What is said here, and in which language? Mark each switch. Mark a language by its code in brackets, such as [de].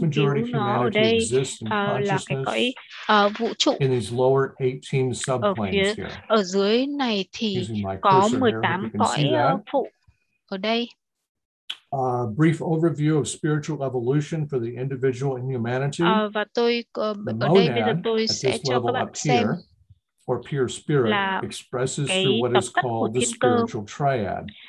[vi] nghiên cứu nó ở đây là cái cõi vũ trụ. [en] In these lower 18 [vi] ở phía ở dưới này thì có 18 cõi phụ ở đây. [en] A brief overview of spiritual evolution for the individual and humanity. [vi] Và tôi ở đây bây giờ tôi sẽ cho các bạn xem. [en] Or pure spirit expresses through what is called the spiritual triad.